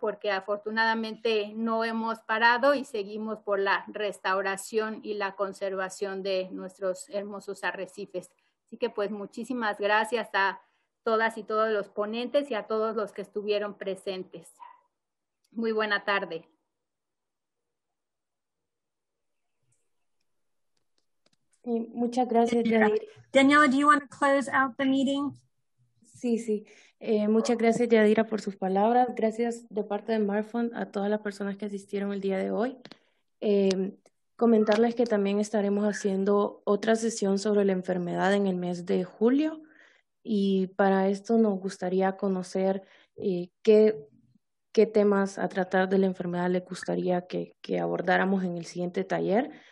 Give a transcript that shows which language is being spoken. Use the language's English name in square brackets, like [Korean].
[Spanish] Porque afortunadamente no hemos parado y seguimos por la restauración y la conservación de nuestros hermosos arrecifes. Así que pues muchísimas gracias a todas y todos los ponentes y a todos los que estuvieron presentes. Muy buena tarde. Sí, muchas gracias, Yadira. [English] Daniela, do you want to close out the meeting? [Spanish] Sí, sí. Muchas gracias, Yadira, por sus palabras. Gracias de parte de MARFund a todas las personas que asistieron el día de hoy. Comentarles que también estaremos haciendo otra sesión sobre la enfermedad en el mes de julio. Y para esto nos gustaría conocer qué temas a tratar de la enfermedad les gustaría que abordáramos en el siguiente taller.